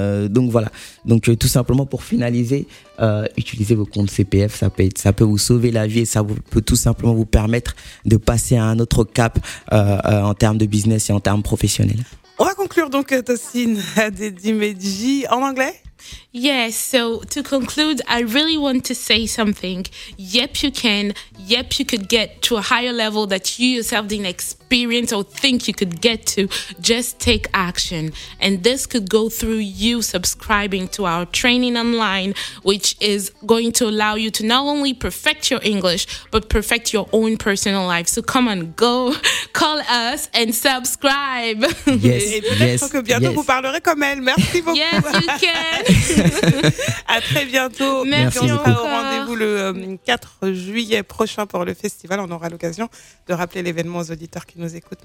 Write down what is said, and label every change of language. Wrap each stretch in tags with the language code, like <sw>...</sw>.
<fr>Donc voilà. Donc tout simplement pour finaliser, utilisez vos comptes CPF, ça peut vous sauver la vie et ça peut tout simplement vous permettre de passer à un autre cap en termes de business et en termes professionnels. On va conclure donc, Tosine, des Dimedji en anglais.</fr> <en>Yes, so to conclude, I really want to say something. Yep, you can. Yep, you could get to a higher level that you yourself didn't experience or think you could get to. Just take action. And this could go through you subscribing to our training online, which is going to allow you to not only perfect your English, but perfect your own personal life. So come on, go call us and subscribe. Yes, yes,</en> <fr>je pense que bientôt vous parlerez comme elle. Merci beaucoup.</fr> <en>Yes, you can. Yeah.</en> <fr>À très bientôt. Merci. On sera au rendez-vous le 4 juillet prochain pour le festival. On aura l'occasion de rappeler l'événement aux auditeurs qui nous écoutent.</fr>